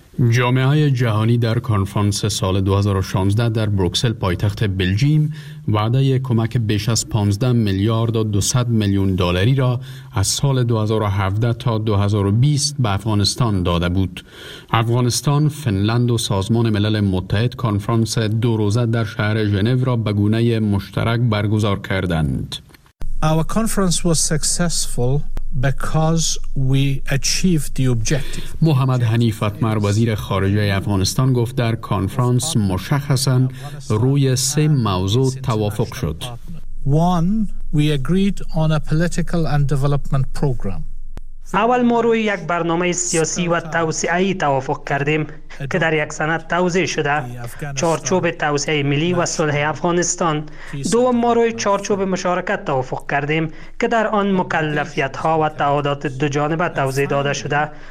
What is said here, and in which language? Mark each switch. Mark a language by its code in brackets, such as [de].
[fa] جامعه جهانی در کنفرانس سال 2016 در بروکسل پایتخت بلژیم وعده کمک بیش از 15 میلیارد و 200 میلیون دلاری را از سال 2017 تا 2020 به افغانستان داده بود. افغانستان، فنلند و سازمان ملل متحد کنفرانس 2 روزه در شهر ژنو را به گونه مشترک برگزار کردند. [en] Our conference was successful because we achieved the objective. [fa] محمد حنیف اطمر، وزیر خارجه افغانستان، گفت در کنفرانس مشخصا روی 3 موضوع توافق شد. [en] 1. We agreed on a political and development program. [fa] اول، ما روی یک برنامه سیاسی و توسعه‌ای توافق کردیم که در یک سند توضیح شده، چارچوب توسعه ملی و صلح افغانستان. دوم، ما روی چارچوب مشارکت توافق کردیم که در آن مکلفیت‌ها و تعهدات دو جانبه توضیح داده شده.